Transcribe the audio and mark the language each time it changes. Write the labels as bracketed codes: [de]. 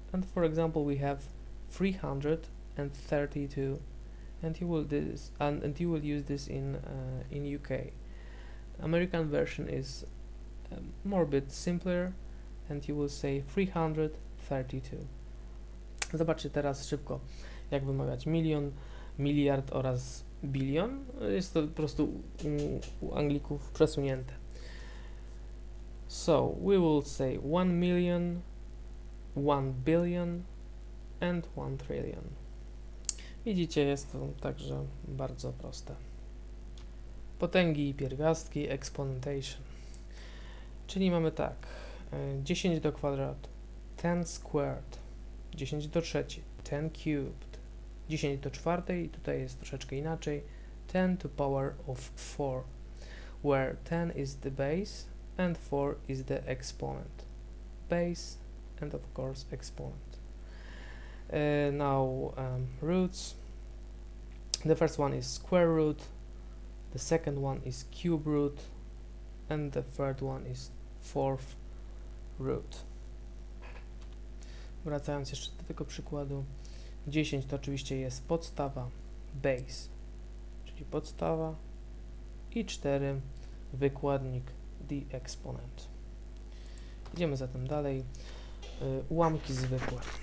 [en] And for example, we have 332, and you will use this in UK. American version is more a bit simpler, and you will say 332. [pl] Zobaczcie teraz szybko, jak wymawiać milion, miliard oraz bilion. Jest to po prostu u Anglików przesunięte. [en] So, we will say 1 million, 1 billion and 1 trillion. [pl] Widzicie, jest to także bardzo proste. Potęgi i pierwiastki, exponentiation. Czyli mamy tak, 10 do kwadratu, [en] 10 squared, [pl] 10 do trzeciej, [en] 10 cubed, [pl] 10 do czwartej, tutaj jest troszeczkę inaczej, [en] 10 to power of 4, where 10 is the base and 4 is the exponent. Base and of course exponent. Now roots. The first one is square root, the second one is cube root, and the third one is fourth root. [pl] Wracając jeszcze do tego przykładu, 10 to oczywiście jest podstawa, base, czyli podstawa, i 4 wykładnik, the exponent. Idziemy zatem dalej. Ułamki zwykłe.